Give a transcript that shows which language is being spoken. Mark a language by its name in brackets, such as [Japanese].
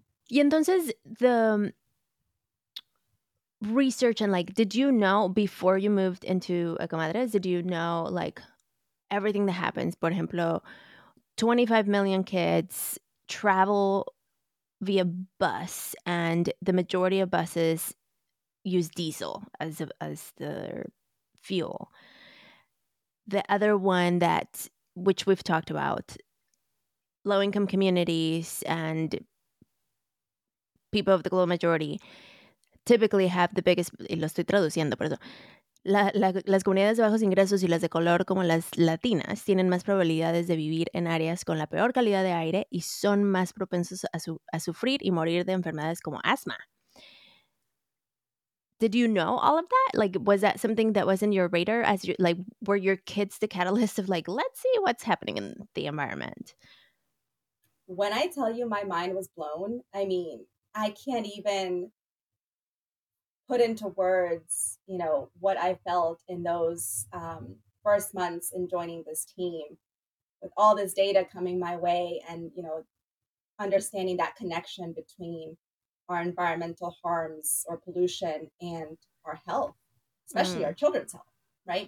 [Spanish] Y entonces [English] the research and like, did you know before you moved into Ecomadres, did you know like everything that happens, [Spanish] por ejemplo, [English] 25 million kids travel via bus and the majority of buses use diesel as the fuel. The other one that, which we've talked about, low-income communities and people of the global majority typically have the biggest, [Spanish] y lo estoy traduciendo, por eso, las comunidades de bajos ingresos y las de color, como las latinas, tienen más probabilidades de vivir en áreas con la peor calidad de aire y son más propensos a sufrir y morir de enfermedades como asma. [English] Did you know all of that? Like, was that something that was in your radar? Were your kids the catalyst of like, let's see what's happening in the environment? When I tell you my mind was blown, I mean, I can't even put into words, you know, what I felt in those first months in joining this team, with all this data coming my way, and, you know, understanding that connection between our environmental harms or pollution and our health, especially our children's health, right?